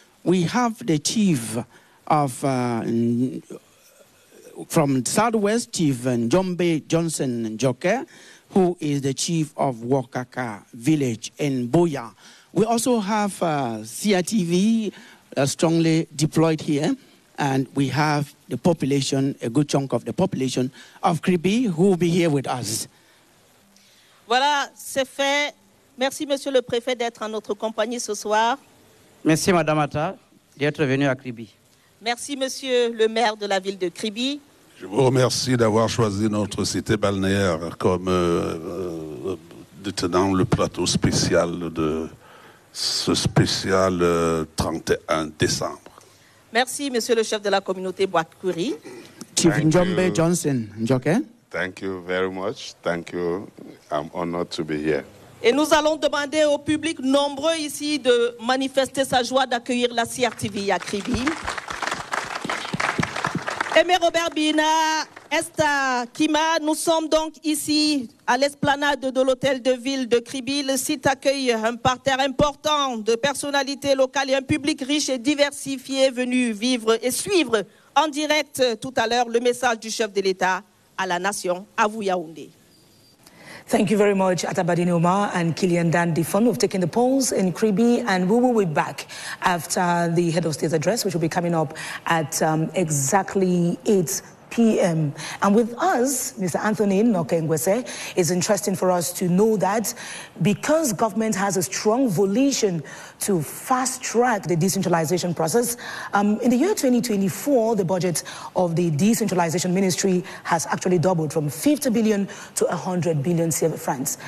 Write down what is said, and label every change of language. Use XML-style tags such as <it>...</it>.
<en>We have the Chief of from Southwest, Chief Njombe Johnson Njoke, who is the chief of Wakaka village in BIYA. We also have CRTV strongly deployed here, and we have the population, a good chunk of the population of Kribi, who will be here with us.</en> <fr>Voilà, c'est fait. Merci, Monsieur le Préfet, d'être en notre compagnie ce soir. Merci, Madame Atta, d'être venue à Kribi. Merci, Monsieur le maire de la ville de Kribi. Je vous remercie d'avoir choisi notre cité balnéaire comme détenant le plateau spécial de ce spécial 31 décembre. Merci, monsieur le chef de la communauté Bouakouri.</fr> <en>Chief Njombe Johnson, Njoke. Thank you very much. Thank you. I'm honored to be here.</en> <fr>Et nous allons demander au public nombreux ici de manifester sa joie d'accueillir la CRTV à Kribi. Aimé Robert Bina, Esta Kima, nous sommes donc ici à l'esplanade de l'hôtel de ville de Kribi. Le site accueille un parterre important de personnalités locales et un public riche et diversifié venu vivre et suivre en direct tout à l'heure le message du chef de l'État à la nation, à vous Yaoundé.</fr> <en>Thank you very much, Atabadine Omar and Kilian Dan Difon, who've taken the polls in Kribi, and we will be back after the head of state's address, which will be coming up at exactly 8 p.m. And with us, Mr. Anthony Nokengwese, it's interesting for us to know that because government has a strong volition to fast-track the decentralization process, in the year 2024, the budget of the decentralization ministry has actually doubled from 50 billion to 100 billion francs.</en>